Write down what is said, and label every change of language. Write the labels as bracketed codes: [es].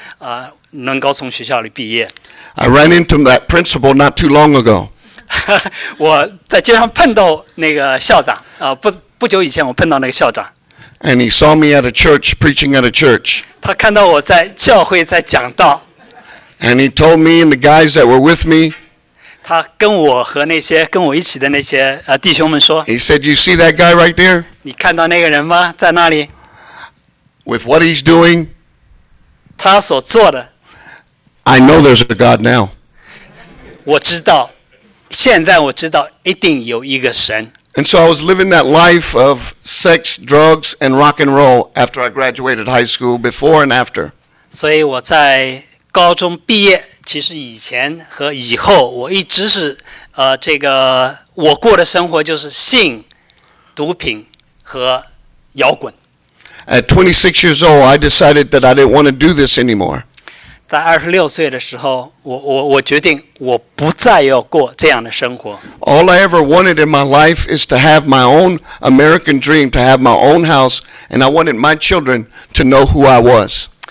[zh] 特别的帮了我，用那个一个曲线，让把我的成绩让我勉强能够及格，所以我能够从学校里毕业。 [en] I ran into that principal not too long ago. [zh] 我在街上碰到那个校长，不久以前我碰到那个校长。 [en] And he saw me at a church preaching at a church. [zh] 他看到我在教会在讲道。 [en] And he told me and the guys that were with me. [zh] 他跟我和那些跟我一起的那些弟兄们说， [en] He said, "You see that guy right there? [zh] 你看到那个人吗？在那里？ [en] With what he's doing, [zh] 他所做的， [en] I know there's a God now. [zh] 我知道， 现在我知道， 一定有一个神。 [en] And so I was living that life of sex, drugs, and rock and roll after I graduated high school, before and after. [zh] 所以我在高中毕业， 其实以前和以后，我一直是，这个我过的生活就是性、毒品和摇滚。 [en] At 26 years old, I decided that I didn't want to do this anymore. [zh] 在26岁的时候，我决定我不再要过这样的生活。 [en] All I ever wanted in my life is to have my own American dream, to have my own house, and I wanted my children to know who I was.